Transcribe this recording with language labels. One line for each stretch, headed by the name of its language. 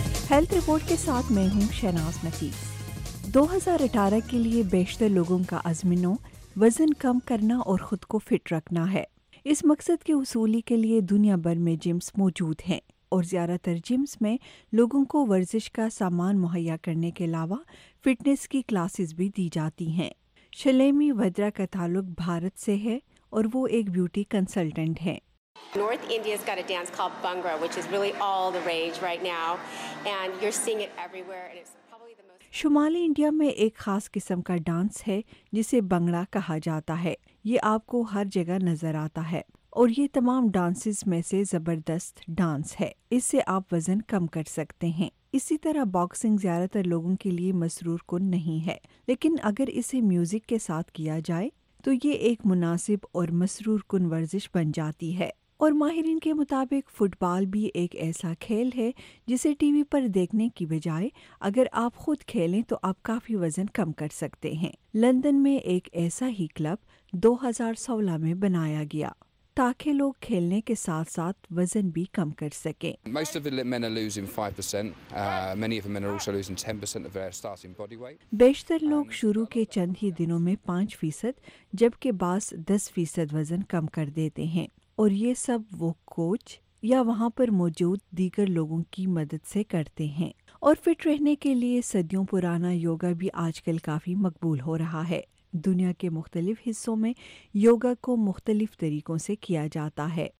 Urdu: Health report کے ساتھ میں ہوں شہناز نفیس۔ 2018 کے لیے بیشتر لوگوں کا عزمنو وزن کم کرنا اور خود کو فٹ رکھنا ہے۔ اس مقصد کے حصولی کے لیے دنیا بھر میں جمز موجود ہیں، اور زیادہ تر جمز میں لوگوں کو ورزش کا سامان مہیا کرنے کے علاوہ فٹنس کی کلاسز بھی دی جاتی ہیں۔ شلیمی ودرا کا تعلق بھارت سے ہے اور وہ ایک بیوٹی کنسلٹنٹ ہے۔
English: North India's got a dance called Bhangra, which is really all the rage right now, and you're seeing it everywhere, and it's probably the most...
Urdu: شمالی انڈیا میں ایک خاص قسم کا ڈانس ہے جسے بھنگڑا کہا جاتا ہے، یہ آپ کو ہر جگہ نظر آتا ہے، اور یہ تمام ڈانسز میں سے زبردست ڈانس ہے، اس سے آپ وزن کم کر سکتے ہیں۔ اسی طرح باکسنگ زیادہ تر لوگوں کے لیے مسرور کن نہیں ہے، لیکن اگر اسے میوزک کے ساتھ کیا جائے تو یہ ایک مناسب اور مسرور کن ورزش بن جاتی ہے۔ اور ماہرین کے مطابق فٹ بال بھی ایک ایسا کھیل ہے جسے ٹی وی پر دیکھنے کی بجائے اگر آپ خود کھیلیں تو آپ کافی وزن کم کر سکتے ہیں۔ لندن میں ایک ایسا ہی کلب 2016 میں بنایا گیا تاکہ لوگ کھیلنے کے ساتھ ساتھ وزن بھی کم کر سکیں۔
English: Most of the men are losing 5%. Many of the men are also losing 10% of their starting body weight.
Urdu: بیشتر لوگ شروع کے چند ہی دنوں میں 5%، جبکہ بعض 10% وزن کم کر دیتے ہیں، اور یہ سب وہ کوچ یا وہاں پر موجود دیگر لوگوں کی مدد سے کرتے ہیں۔ اور فٹ رہنے کے لیے صدیوں پرانا یوگا بھی آج کل کافی مقبول ہو رہا ہے۔ دنیا کے مختلف حصوں میں یوگا کو مختلف طریقوں سے کیا جاتا ہے۔